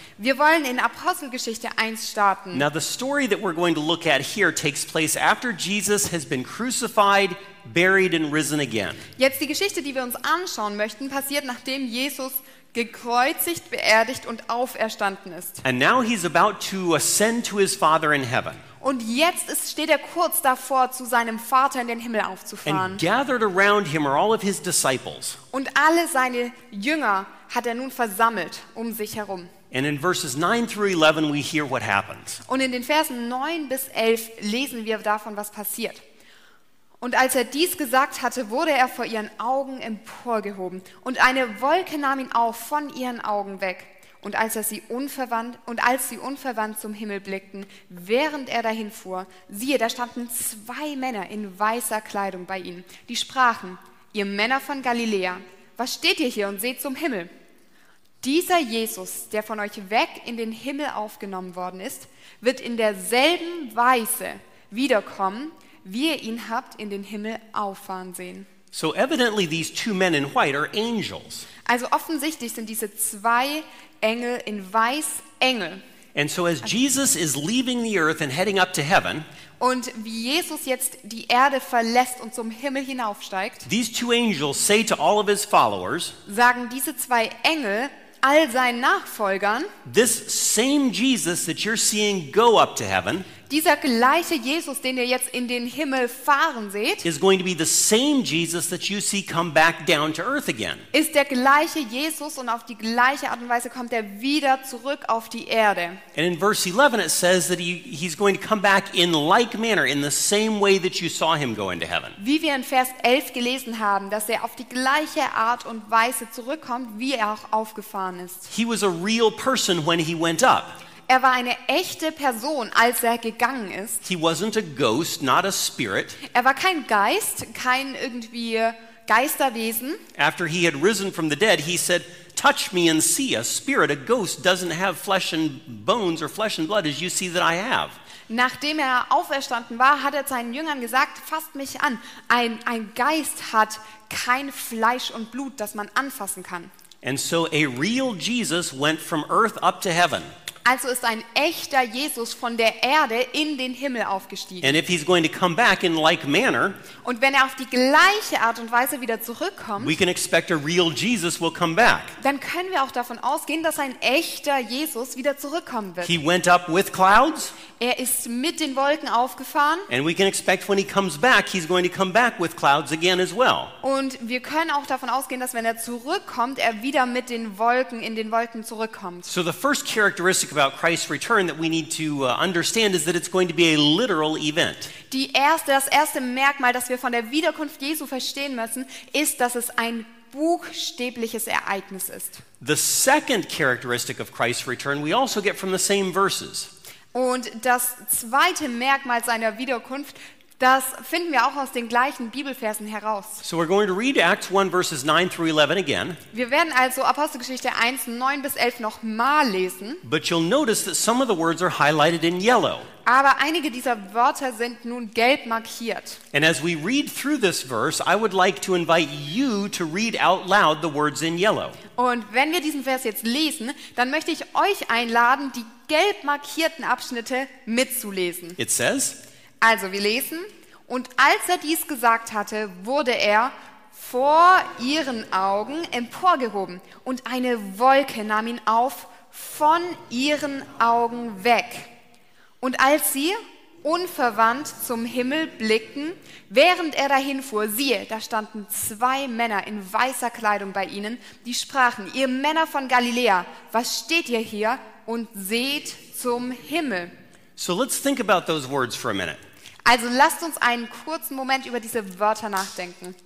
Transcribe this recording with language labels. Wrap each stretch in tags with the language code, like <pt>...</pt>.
<de>Wir wollen in Apostelgeschichte 1 starten.</de> <en>Now the story that we're going to look at here takes place after Jesus has been crucified, buried and risen again.</en> <de>Jetzt die Geschichte, die wir uns anschauen möchten, passiert nachdem Jesus gekreuzigt, beerdigt und auferstanden ist.</de> <en>And now he's about to ascend to his Father in heaven.</en> <de>Und jetzt steht kurz davor, zu seinem Vater in den Himmel aufzufahren.</de> <en>And gathered around him are all of his disciples.</en> <de>Und alle seine Jünger hat nun versammelt um sich herum.</de> <en>And in verses 9 through 11 we hear what happens.</en> <de>Und in den Versen 9 bis 11 lesen wir davon, was passiert. Und als er dies gesagt hatte, wurde er vor ihren Augen emporgehoben. Und eine Wolke nahm ihn auf von ihren Augen weg. Und als sie unverwandt zum Himmel blickten, während er dahin fuhr, siehe, da standen zwei Männer in weißer Kleidung bei ihnen. Die sprachen, ihr Männer von Galiläa, was steht ihr hier und seht zum Himmel? Dieser Jesus, der von euch weg in den Himmel aufgenommen worden ist, wird in derselben Weise wiederkommen, wie ihr ihn habt in den Himmel auffahren sehen.</de> <en>So evidently these two men in white are angels.</en> <de>Also offensichtlich sind diese zwei Engel in weiß Engel.</de> <en>And so as Jesus is leaving the earth and heading up to heaven,</en> <de>und wie Jesus jetzt die Erde verlässt und zum Himmel hinaufsteigt,</de> <en>these two angels say to all of his followers,</en> <de>sagen diese zwei Engel all seinen Nachfolgern,</de> <en>this same Jesus that you're seeing go up to heaven,</en> <de>dieser gleiche Jesus, den ihr jetzt in den Himmel fahren seht,</de> <en>is going to be the same Jesus that you see come back down to earth again.</en> <de>Ist der gleiche Jesus und auf die gleiche Art und Weise kommt wieder zurück auf die Erde.</de> <en>And in verse 11 it says that he's going to come back in like manner, in the same way that you saw him go into heaven.</en> <de>Wie wir in Vers 11 gelesen haben, dass auf die gleiche Art und Weise zurückkommt, wie auch aufgefahren ist.</de> <en>He was a real person when he went up.</en> <de>Er war eine echte Person, als gegangen ist.</de> <en>He wasn't a ghost, not a spirit.</en> <de>Er war kein Geist, kein irgendwie Geisterwesen.</de> <en>After he had risen from the dead, he said, "Touch me and see, a spirit, a ghost doesn't have flesh and bones or flesh and blood as you see that I have."</en> <de>Nachdem er auferstanden war, hat er seinen Jüngern gesagt, fasst mich an. Ein Geist hat kein Fleisch und Blut, das man anfassen kann.</de> <en>And so a real Jesus went from earth up to heaven.</en> <de>Also ist ein echter Jesus von der Erde in den Himmel aufgestiegen.</de> <en>And if he's going to come back in like manner,</en> <de>und wenn er auf die gleiche Art und Weise wieder zurückkommt,</de> <en>we can expect a real Jesus will come back.</en> <de>Dann können wir auch davon ausgehen, dass ein echter Jesus wieder zurückkommen wird.</de> <en>He went up with clouds.</en> <de>Er ist mit den Wolken aufgefahren.</de> <en>And we can expect when he comes back, he's going to come back with clouds again as well.</en> <de>Und wir können auch davon ausgehen, dass wenn er zurückkommt, er wieder mit den Wolken in den Wolken zurückkommt.</de> <en>So the first characteristic about Christ's return that we need to understand is that it's going to be a literal event.</en> <de>Das erste Merkmal, das wir von der Wiederkunft Jesu verstehen müssen, ist, dass es ein buchstäbliches Ereignis ist.</de> <en>The second characteristic of Christ's return we also get from the same verses.</en> <de>Und das zweite Merkmal seiner Wiederkunft, das finden wir auch aus den gleichen Bibelversen heraus.</de> <en>So we're going to read Acts 1 verses 9 through 11 again.</en> <de>Wir werden also Apostelgeschichte 1, 9 bis 11 noch mal lesen.</de> <en>But you'll notice that some of the words are highlighted in yellow.</en> <de>Aber einige dieser Wörter sind nun gelb markiert.</de> <en>And as we read through this verse, I would like to invite you to read out loud the words in yellow.</en> <de>Und wenn wir diesen Vers jetzt lesen, dann möchte ich euch einladen, die gelb markierten Abschnitte mitzulesen.</de> <en>It says,</en> <de>also wir lesen, und als er dies gesagt hatte, wurde er vor ihren Augen emporgehoben und eine Wolke nahm ihn auf von ihren Augen weg. Und als sie unverwandt zum Himmel blickten, während er dahin fuhr, siehe, da standen zwei Männer in weißer Kleidung bei ihnen, die sprachen, ihr Männer von Galiläa, was steht ihr hier und seht zum Himmel?</de> <en>So let's think about those words for a minute.</en> <de>Also lasst uns einen kurzen Moment über diese Wörter nachdenken.</de>